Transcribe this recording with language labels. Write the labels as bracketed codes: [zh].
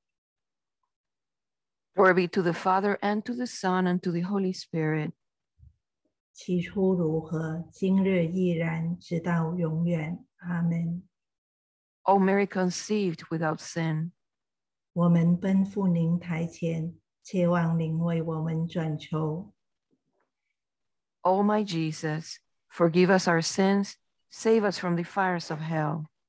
[zh] 阿门。万福玛利亚，你充满圣宠，主与你同在，你在妇女中受赞颂，你的亲子耶稣同受赞颂，天主圣母玛利亚，求你现在和我们临终时为我们罪人祈求天主，阿门。 [en] Glory be to the Father and to the Son and to the Holy Spirit. [zh] 起初如何，今日亦然，直到永远。阿门。 [en] O Mary conceived without sin. [zh] 我们奔赴您台前，切望您为我们转求。 [en] O my Jesus, forgive us our sins, save us from the fires of hell.